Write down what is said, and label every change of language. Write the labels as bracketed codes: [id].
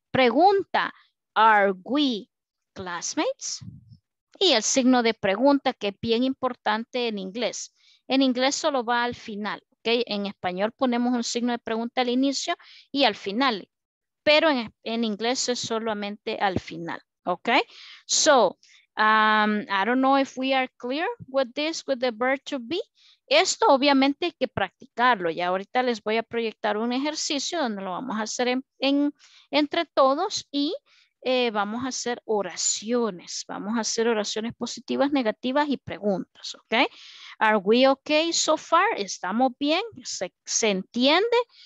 [en] Pregunta, are we classmates? [es] Y el signo de pregunta, que es bien importante en inglés. En inglés solo va al final, ¿ok? En español ponemos un signo de pregunta al inicio y al final. Pero en inglés es solamente al final, ¿ok? [en] So, I don't know if we are clear with this, with the verb to be. [es] Esto obviamente hay que practicarlo. Ya ahorita les voy a proyectar un ejercicio donde lo vamos a hacer entre todos y... vamos a hacer oraciones. Vamos a hacer oraciones positivas, negativas y preguntas, ¿ok? [en] Are we okay so far? [es] ¿Estamos bien? ¿Se entiende?